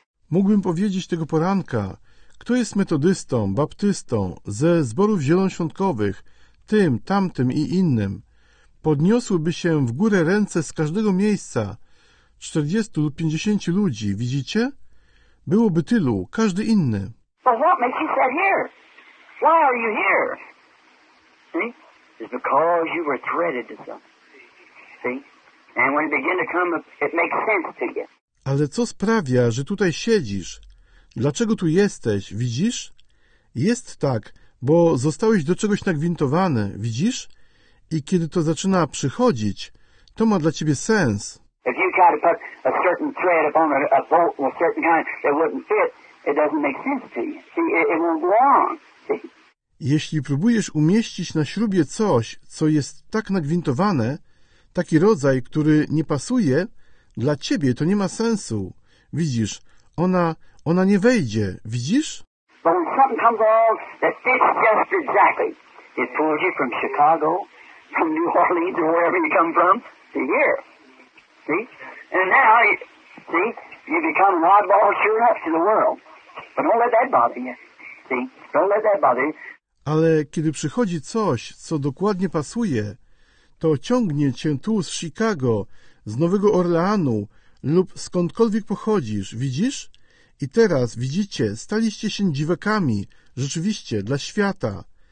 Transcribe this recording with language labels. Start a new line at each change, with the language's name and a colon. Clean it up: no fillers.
Polish: Mógłbym powiedzieć tego poranka, kto jest metodystą, baptystą, ze zborów zielonoświątkowych, tym, tamtym i innym. Podniosłyby się w górę ręce z każdego miejsca, 40 lub 50 ludzi, widzicie? Byłoby tylu, każdy inny.
English: But what makes you sit here? Why are you here? See? It's because you were threaded to something. See? And when it begins to come, it makes sense to you.
Polish: Ale co sprawia, że tutaj siedzisz? Dlaczego tu jesteś, widzisz? Jest tak, bo zostałeś do czegoś nagwintowany, widzisz? I kiedy to zaczyna przychodzić, to ma dla ciebie sens.
English: If you try to put a certain thread upon a bolt of a certain kind that wouldn't fit, it doesn't make sense to you. See, it won't go on.
Polish: Jeśli próbujesz umieścić na śrubie coś, co jest tak nagwintowane, taki rodzaj, który nie pasuje, dla ciebie to nie ma sensu. Widzisz, ona nie wejdzie, widzisz?
English: But when something comes along that fits just exactly, it pulls you from Chicago, from New Orleans, or wherever you come from, to here. See? And now, you become an oddball sure enough to the world. But don't let that bother you. See? Don't let that bother you.
Polish: Ale kiedy przychodzi coś, co dokładnie pasuje, to ciągnie cię tu z Chicago, z Nowego Orleanu lub skądkolwiek pochodzisz, widzisz? I teraz, widzicie, staliście się dziwakami, rzeczywiście, dla świata.